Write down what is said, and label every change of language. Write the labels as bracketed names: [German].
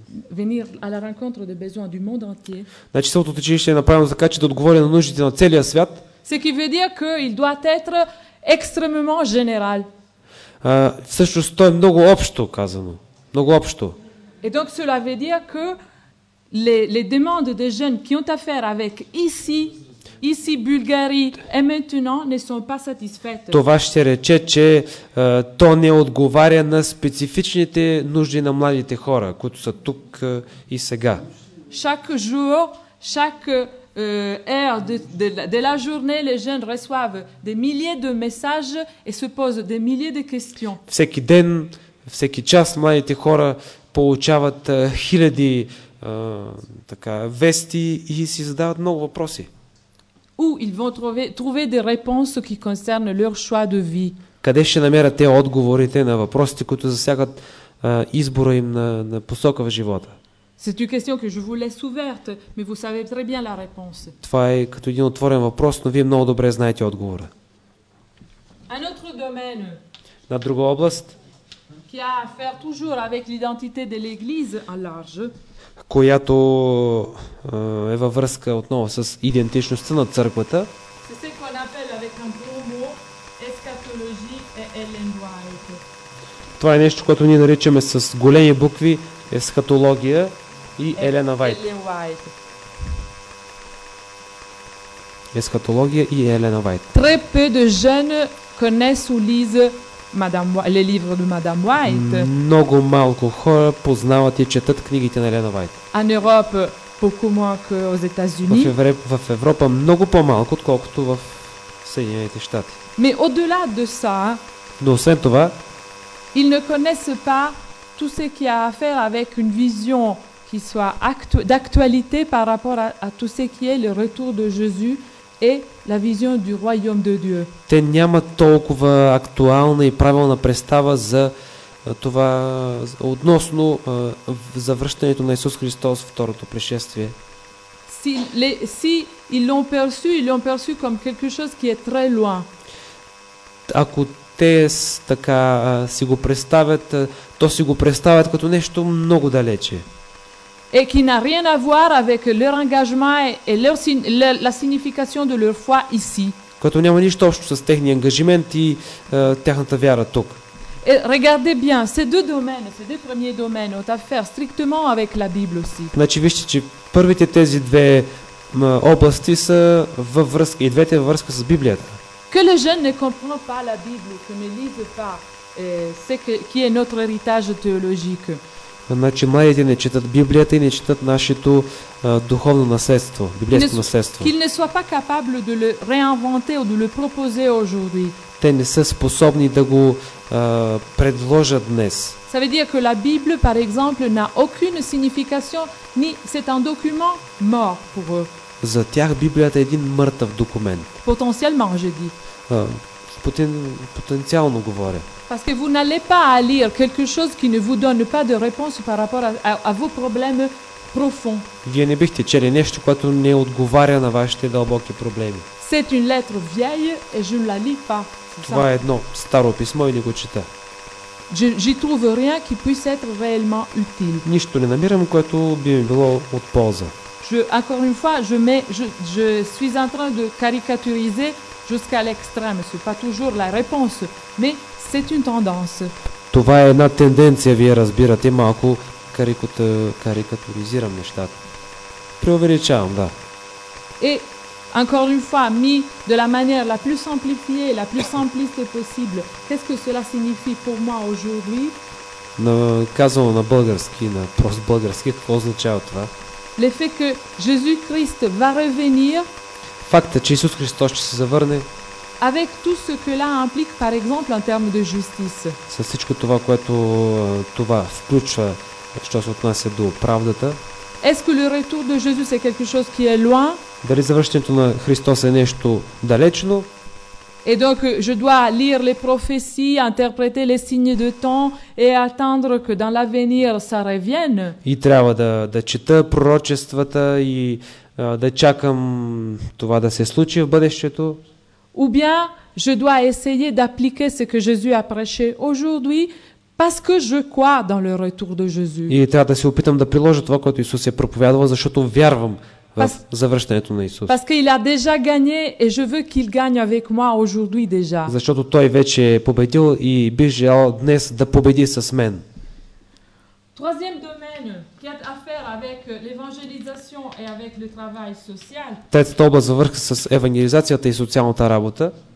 [French] venir à la rencontre des besoins du monde entier. [Bulgarian] Значи съботното училище е направено така, че да отговори на нуждите на целия свят. [French] Ce qui veut dire qu'il doit être extrêmement général. [Bulgarian] Всъщност то е много общо казано. Много общо. [French] Et donc cela veut dire que les demandes des jeunes qui ont affaire avec ici Bulgarie et maintenant ne sont pas satisfaites. [Bulgarian] Това ще рече, че то не отговаря на специфичните нужди на младите хора, които са тук и сега. [French] Chaque jour, chaque heure de la journée, les jeunes reçoivent des milliers de messages et se posent des milliers de questions. [Bulgarian] Всеки ден, всеки час младите хора получават хиляди така вести и си задават много въпроси. [French] Où ils vont trouver des réponses qui concernent leur choix de vie. [Bulgarian] Къде ще намерят те отговорите на въпросите, които засягат избора им на посока в живота? [French] C'est une question que je vous laisse ouverte, mais vous savez très bien la réponse. [Bulgarian] Това е като един отворен въпрос, но вие много добре знаете отговора. [French] Un autre domaine. [Bulgarian] На друга област. [French] Qui a à faire toujours avec l'identité de l'église en large. [Bulgarian] Която е във връзка отново с идентичността на църквата. [French] C'est ce qu'on appelle avec un gros mot eschatologie et Ellen White. [Bulgarian] Това е нещо, което ние наричаме с големи букви ескатология и Елена Вайт. Ескатология и Елена Вайт. [French] Très peu de jeunes connaissent ou lisent les livres de Madame White. [Bulgarian] Много малко хора познават и четат книгите на Елена Вайт. [French] En Europe, beaucoup moins qu'aux États-Unis. [Bulgarian] В Европа много по-малко, отколкото в Съединените щати. [French] Mais au-delà de ça, [Bulgarian] но освен това, [French] ils ne connaissent pas tout ce qui a à faire avec une vision qui soit d'actualité par rapport à tout ce qui est le retour de Jésus et la vision du royaume de Dieu. [Bulgarian] Те нямат толкова актуална и правилна представа за това относно завръщането на Исус Христос, второто пришествие. [French] Si ils l'ont perçu comme quelque chose qui est très loin. [Bulgarian] Ако те така си го представят, то си го представят като нещо много далече. [French] Et qui n'a rien à voir avec leur engagement et leur la signification de leur foi ici. [Bulgarian] Като няма нищо общо с техния ангажимент и тяхната вяра тук. [French] Et regardez bien, ces deux premiers domaines ont à faire strictement avec la Bible aussi. [Bulgarian] Значи вижте, че първите тези две области са във връзка, и двете във връзка с Библията. [French] Que les jeunes ne comprennent pas la Bible, que ne lisent pas ce qui est notre héritage théologique. [Bulgarian] Значи младите не четат Библията и не четат нашето духовно наследство, библейско наследство. [French] Qu'ils ne soient pas capables de le réinventer ou de le proposer aujourd'hui. [Bulgarian] Те не са способни да го предложат днес. [French] Ça veut dire que la Bible, par exemple, n'a aucune signification, ni c'est un document mort pour eux. [Bulgarian] За тях Библията е един мъртъв документ. [French] Potentiellement, je dis. [Bulgarian] Потенциално говоря. [French] Parce que vous n'allez pas à lire quelque chose qui ne vous donne pas de réponse par rapport à vos problèmes profonds. [Bulgarian] Вие не бихте чели нещо, което не отговаря на вашите дълбоки проблеми. [French] C'est une lettre vieille et je ne la lis pas. [Bulgarian] Това е едно старо писмо и не го чета. [French] J'y trouve rien qui puisse être réellement utile. [Bulgarian] Нищо не намирам, което би ми било от полза. [French] Encore une fois, je suis en train de caricaturiser jusqu'à l'extrême. Ce n'est pas toujours la réponse, mais c'est une tendance. [Bulgarian] Това е една тенденция, вие разбирате, малко карикатуризирам нещата. Преувеличавам, да. [French] et encore une fois, mis de la manière la plus simplifiée, la plus simpliste possible, qu'est-ce que cela signifie pour moi aujourd'hui? [Bulgarian] Казано на български, на прост български, какво означава това? [French] Le fait que Jésus-Christ va revenir. [Bulgarian] Факта, че Исус Христос ще се завърне. [French] Avec tout ce que cela implique, par exemple, en termes de justice. [Bulgarian] Със всичко това, което това включва, що се отнася до правдата. [French] Est-ce que le retour de Jésus c'est quelque chose qui est loin? [Bulgarian] Дали завръщането на Христос е нещо далечно? [French] Et donc je dois lire les prophéties, interpréter les signes de temps et attendre que dans l'avenir ça revienne. [Bulgarian] И трябва да чета пророчествата и да чакам това да се случи в бъдещето. [French] Ou bien je dois essayer d'appliquer ce que Jésus a prêché aujourd'hui parce que je crois dans le retour de Jésus. [Bulgarian] И трябва да се опитам да приложа това, което Исус е проповядвал, защото вярвам. Завръщането на Исус. [French] Parce qu'il a déjà gagné et je veux qu'il gagne avec moi aujourd'hui déjà. [Bulgarian] Защото той вече е победил и би желал днес да победи с мен. [French] Troisième domaine qui a à faire avec l'évangélisation et avec le travail social. [Bulgarian] Третата област завърха с евангелизацията и социалната работа.